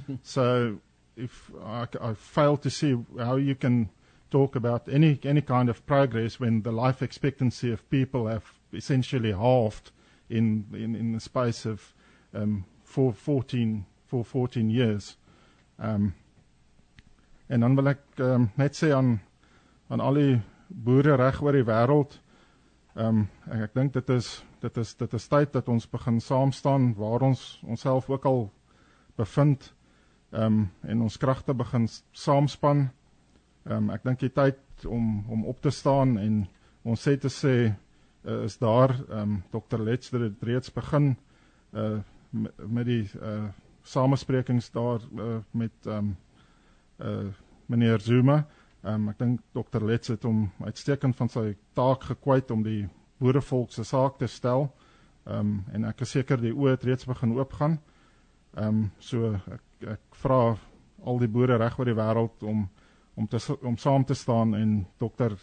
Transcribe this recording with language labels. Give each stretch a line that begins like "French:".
English: So if I fail to see how you can talk about any kind of progress when the life expectancy of people have essentially halved in the space of 14 years.
Afrikaans: En dan wil ek net sê aan al die boere reg oor die wêreld, ek dink dit is tyd dat ons begin saam staan waar ons onsself ook al bevind en ons kragte begin saamspan. Ek dink die tyd om op te staan en ons sê te sê is daar. Dr. Letzter het reeds begin met die samensprekings daar met meneer Zuma. Ek dink Dr. Letts het hom uitstekend van sy taak gekwyt om die boerevolk se saak te stel. En ek is seker die oë het reeds begin oopgaan. So ek vra al die boere reg oor die wêreld om saam te staan en Dr.